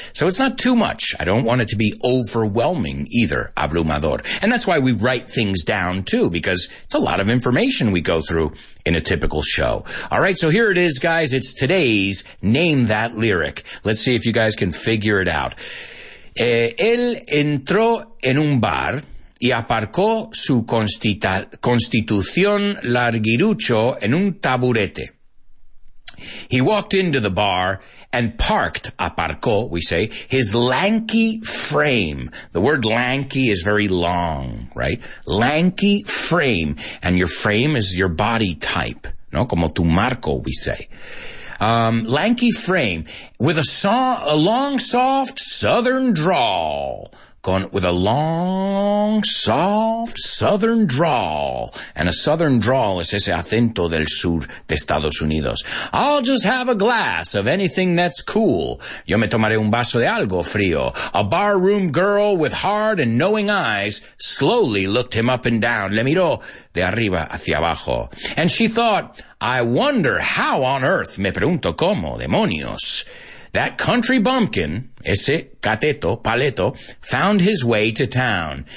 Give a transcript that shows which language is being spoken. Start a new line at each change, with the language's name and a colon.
English: So it's not too much. I don't want it to be overwhelming either, abrumador. And that's why we write things down too, because it's a lot of information we go through in a typical show. All right, so here it is, guys. It's today's Name That Lyric. Let's see if you guys can figure it out.
Spanish: Él entró en un bar y aparcó su constitución larguirucho en un taburete.
English: He walked into the bar and parked, aparcó, we say, his lanky frame. The word lanky is very long, right? Lanky frame. And your frame is your body type, no?
Spanish: Como tu marco,
English: we say. Lanky frame with a long, soft southern drawl. And a southern drawl is
Spanish: ese acento del sur de Estados Unidos.
English: I'll just have a glass of anything that's cool.
Spanish: Yo me tomaré un vaso de algo frío.
English: A barroom girl with hard and knowing eyes slowly looked him up and down.
Spanish: Le miró de arriba hacia abajo.
English: And she thought, I wonder how on earth,
Spanish: me pregunto cómo, demonios,
English: that country bumpkin,
Spanish: ese cateto, paleto,
English: found his way to town.